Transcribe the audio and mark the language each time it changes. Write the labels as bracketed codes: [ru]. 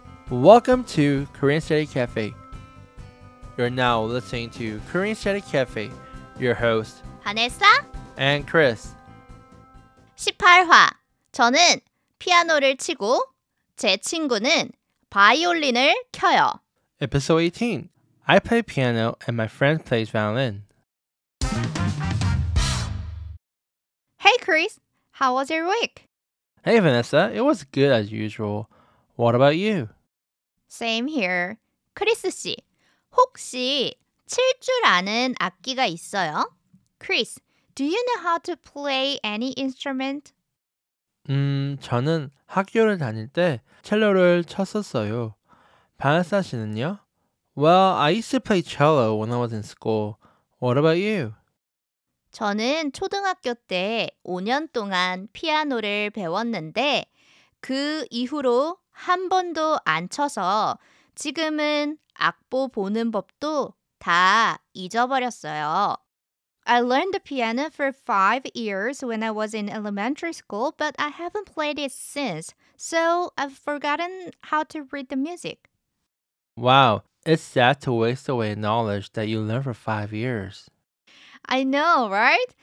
[en] Welcome to Korean Study Cafe. You're now listening to Korean Study Cafe. Your host, Vanessa and Chris. [ko] 18화. 저는 피아노를 치고 제 친구는 바이올린을 켜요. [en] Episode 18. I play piano and my friend plays violin. Hey, Chris. How was your week? Hey, Vanessa. It was good as usual. What about you? Same here. [ko] Chris 씨, 혹시 칠 줄 아는 악기가 있어요? [en] Chris, do you know how to play any instrument? [ko] 저는 학교를 다닐 때 첼로를 쳤었어요. Vanessa 씨는요? [en] Well, I used to play cello when I was in school. What about you? [ko] 저는 초등학교 때 5년 동안 피아노를 배웠는데 그 이후로 한 번도 안 쳐서 지금은 악보 보는 법도 다 잊어버렸어요. [en] I learned the piano for 5 years when I was in elementary school, but I haven't played it since, so I've forgotten how to read the music. Wow, it's sad to waste away knowledge that you learned for 5 years. I know, right?